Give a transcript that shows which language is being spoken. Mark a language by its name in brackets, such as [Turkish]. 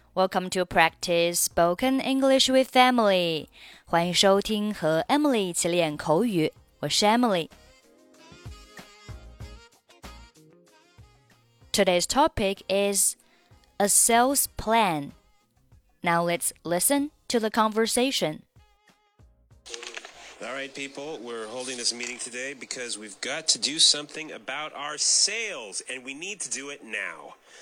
[English] Welcome to Practice Spoken English with Emily. [Chinese] 欢迎收听和 Emily 一起练口语。我是 Emily。 [English] Today's topic is a sales plan. Now let's listen to the conversation. All right, people, we're holding this meeting today because we've got to do something about our sales, and we need to do it now.